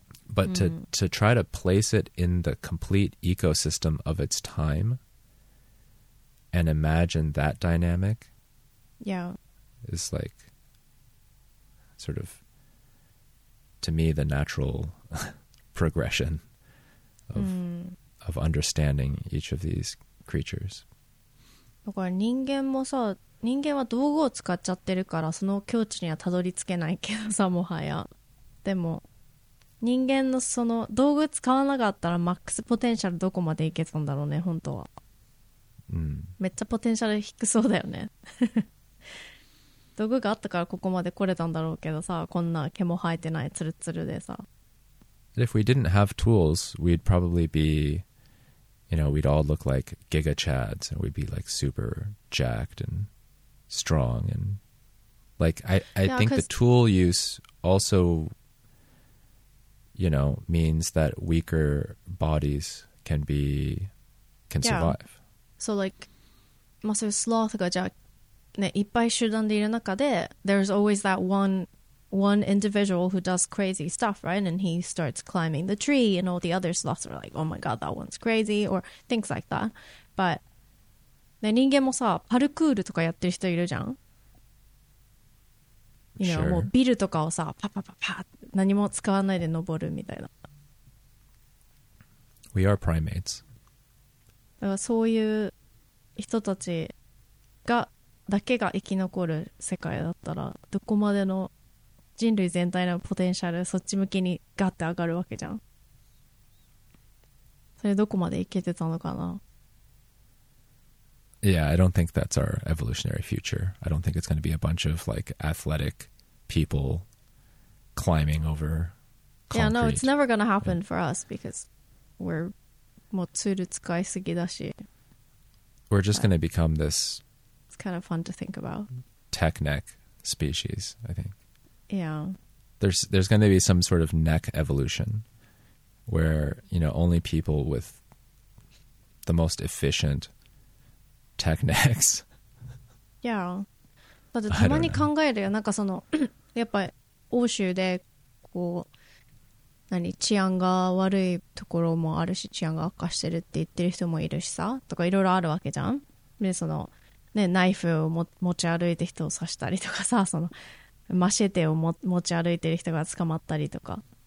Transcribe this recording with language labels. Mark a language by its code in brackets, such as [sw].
[en] But to try to place it in the complete ecosystem of its time and imagine that dynamic is like sort of, to me, the natural progression of understanding each of these creatures. [ja] だから人間もさ、人間は道具を使っちゃってるからその境地にはたどり着けないけどさ、もはや。でも人間のその道具使わなかったらマックスポテンシャルどこまでいけたんだろうね、本当は。めっちゃポテンシャル低そうだよね。道具があったからここまで来れたんだろうけどさ、こんな毛も生えてないツルツルでさ。 [en] If we didn't have tools, we'd probably be, you know, we'd all look like Giga Chads, and we'd be like super jacked and strong, and like I think the tool use also, you know, means that weaker bodies can survive. So like, sloth [ja] がじゃあね、いっぱい集団でいる中で、 [en] there's always that one one individual who does crazy stuff, right? And he starts climbing the tree and all the other sloths are like, oh my god, that one's crazy, or things like that. [ja] But ね、人間もさ、パルクールとかやってる人いるじゃん。 [en] You know, sure. [ja] もうビルとかをさ、パパパパって何も使わないで登るみたいな。 [en] We are primates. [ja] だからそういう人たちがだけが生き残る世界だったら、どこまでの人類全体のポテンシャル、そっち向きにガッて上がるわけじゃん。それどこまでいけてたのかな。 [en] Yeah, I don't think that's our evolutionary future. I don't think it's going to be a bunch of like athletic people climbing over concrete. Yeah, no, it's never going to happen for us because we're [ja] もうツール使いすぎだし。 [en] We're just going to become this. It's kind of fun to think about. Tech neck species, I think. Yeah. There's going to be some sort of neck evolution where, you know, only people with the most efficient techniques. Yeah. [ja] だってたまに考えるよ。なんかそのやっぱり欧州でこう何治安が悪いところもあるし、治安が悪化してるって言ってる人もいるしさ、とかいろいろあるわけじゃん。でそのねナイフを持ち歩いて人を刺したりとかさ、そのマシェテを持ち歩いてる人が捕まったりとか。